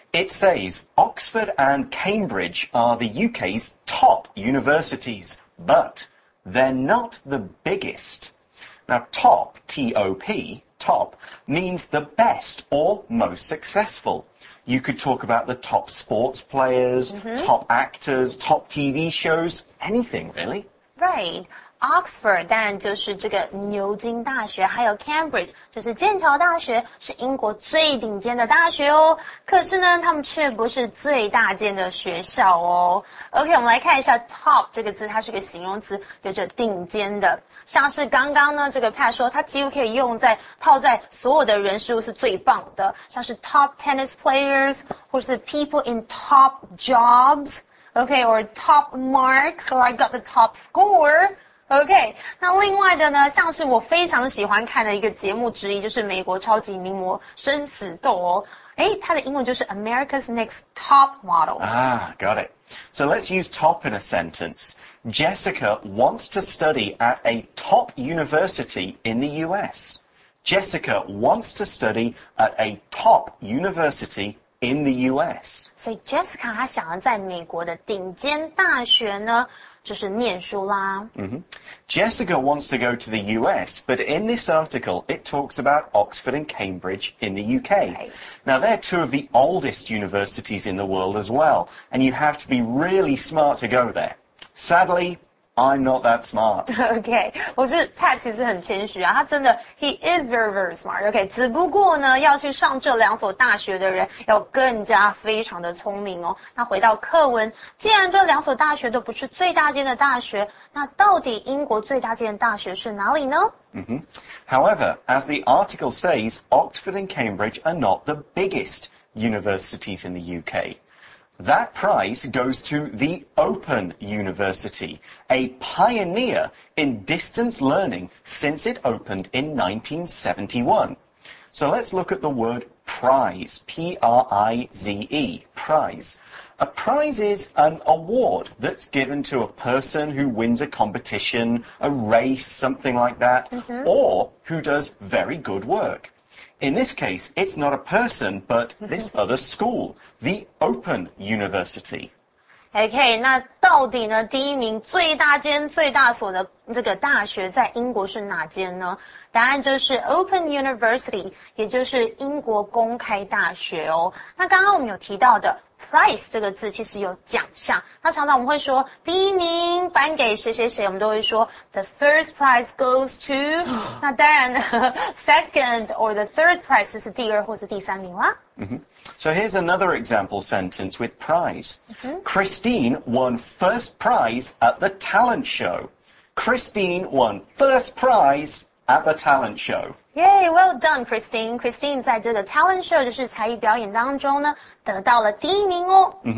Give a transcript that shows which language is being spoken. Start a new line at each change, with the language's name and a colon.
English: It says, Oxford and Cambridge are the UK's top universities, but they're not the biggest. Now, top, T-O-P, top, means the best or most successful. You could talk about the top sports players, top actors, top TV shows, anything really. Right.
Chinese: Oxford 当然就是这个牛津大学，还有 Cambridge 就是剑桥大学，是英国最顶尖的大学哦。可是呢，他们却不是最大间的学校哦。 OK， 我们来看一下 top 这个字，它是个形容词，有着顶尖的。像是刚刚呢，这个 Pat 说，它几乎可以用在套在所有的人事物是最棒的，像是
English: top tennis players，
Chinese: 或是
English: people in top jobs，
Chinese: OK，
English: or top marks， or I got the top score。
Chinese: OK， 那另外的呢，像是我非常喜欢看的一个节目之一，就是美国超级名模生死斗哦。诶，它的英文就是 America's Next Top Model.
English: Ah, got it. So let's use top in a sentence. Jessica wants to study at a top university in the US. Jessica wants to study at a top university in the US.
Chinese: 所以 Jessica 她想要在美国的顶尖大学呢就是念书啦。
English: Jessica wants to go to the US, but in this article, it talks about Oxford and Cambridge in the UK. Right. Now, they're two of the oldest universities in the world as well, and you have to be really smart to go there. Sadly, I'm not that smart.
Chinese: Okay, 我觉得 Pat 其实很谦虚啊，他真的
English: he is very very smart.
Chinese: Okay, 只不过呢，要去上这两所大学的人要更加非常的聪明哦。那回到课文，既然这两所大学都不是最大间的大学，那到底英国最大间的大学是哪里呢？
English: However, as the article says, Oxford and Cambridge are not the biggest universities in the UK. That prize goes to the Open University, a pioneer in distance learning since it opened in 1971. So let's look at the word prize, P-R-I-Z-E, prize. A prize is an award that's given to a person who wins a competition, a race, something like that, or who does very good work. In this case, it's not a person, but this other school, the Open University.
Chinese: Okay, 那到底呢第一名最大间最大所的这个大学在英国是哪间呢？答案就是 Open University, 也就是英国公开大学哦。那刚刚我们有提到的 prize 这个字其实有奖项。那常常我们会说第一名颁给谁谁谁，我们都会说
English: the first prize goes to,
Chinese: 那当然
English: second or the third prize
Chinese: 就是第二或是第三名啦。
English: So here's another example sentence with prize. Christine won first prize at the talent show. Christine won first prize at the talent show. Yay, well done, Christine.
Chinese: Christine 在这个 talent show 就是才艺表演当中呢得到了第一名哦。